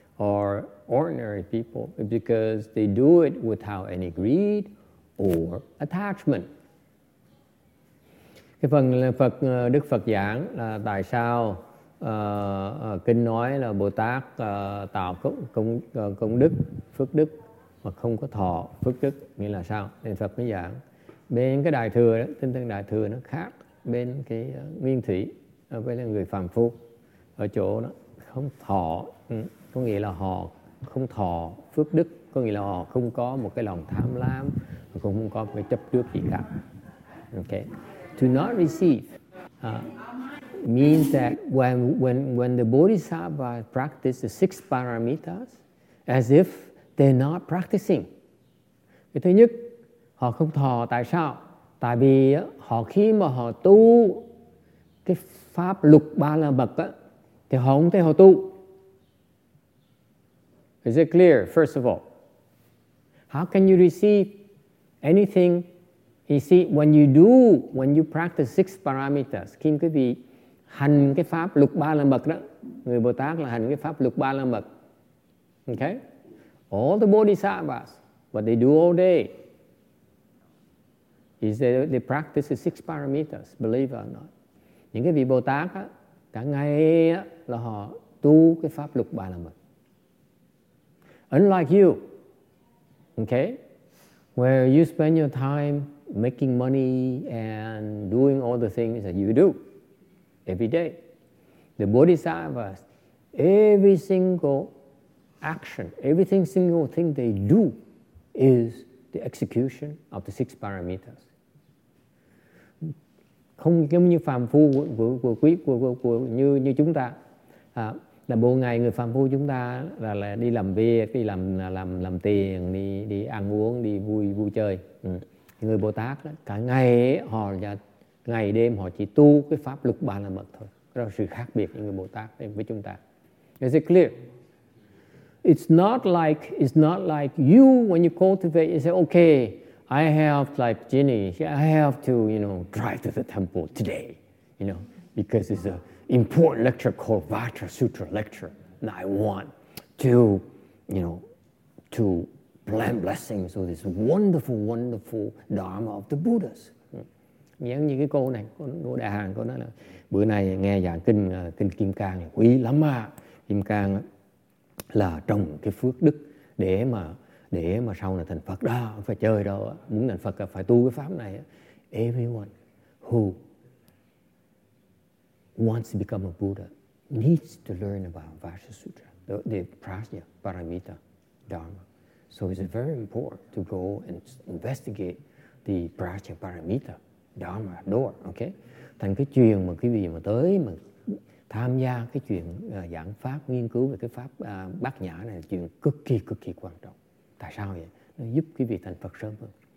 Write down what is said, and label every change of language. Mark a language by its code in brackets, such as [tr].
[en] are ordinary people because they do it without any greed or attachment. [vi] Cái phần Phật Đức Phật giảng là tại sao kinh nói là Bồ Tát tạo công đức phước đức mà không có thọ phước đức, nghĩa là sao? Nên Phật mới giảng bên cái đại thừa đó, tinh thần đại thừa nó khác bên cái nguyên thủy với là người phàm phu ở chỗ đó không thọ, có nghĩa là họ không thọ phước đức, có nghĩa là họ không có một cái lòng tham lam, cũng không có một cái chấp trước gì cả. [en] Okay, to not receive means that when the bodhisattva practice the six paramitas as if they're not practicing. [vi] Cái thứ nhất, họ không thọ tại sao? Tại vì họ khi mà họ tu cái pháp lục ba la mật á, thì họ không thể họ tu. [en] Is it clear, first of all? How can you receive anything? You see, when you do, when you practice six paramitas, [vi] khi quý vị hành cái pháp lục ba la mật đó, người Bồ Tát là hành cái pháp lục ba la mật. [en] Okay? All the bodhisattvas, what they do all day, is they practice the six paramitas, believe it or not. [vi] Những cái vị Bồ Tát á, cả ngày á, là họ tu cái pháp lục ba la mật. [en] Unlike you, okay, where you spend your time making money and doing all the things that you do every day. The bodhisattvas, every single action, every single thing they do is the execution of the six paramitas. [vi] Không giống như phàm phu của quý của như chúng ta. Là bộ ngày người phàm phu chúng ta là đi làm việc, đi làm tiền, đi ăn uống, đi vui chơi. Người Bồ Tát đó, cả ngày họ ngày đêm họ chỉ tu cái pháp lục ba la mật thôi. Đó là sự khác biệt giữa người Bồ Tát với chúng ta. [en] Is it clear? It's not like you when you cultivate, you say, okay, I have like Jenny, I have to, you know, drive to the temple today, you know, because it's a important lecture called Vajra Sutra lecture, and I want to, you know, to plant blessings of this wonderful, wonderful Dharma of the Buddhas. [vi] Nghĩa như cái cô này, cô đại hàng, cô nói là bữa nay nghe giảng kinh Kim Cang quý lắm mà. Kim Cang là trồng cái phước đức để mà sau này thành Phật đó, không phải chơi đâu, muốn thành Phật phải tu cái pháp này. [en] Everyone who wants to become a Buddha needs to learn about Vajra Sutra, the Prajna Paramita Dharma. So it's very important to go and investigate the Prajna Paramita Dharma door, okay? [vi] Thành cái chuyện mà quý vị mà tới mà tham gia cái chuyện giảng pháp, nghiên cứu về cái pháp bát nhã này là chuyện cực kỳ quan trọng. Tại sao vậy? Nó giúp quý vị thành Phật sớm hơn.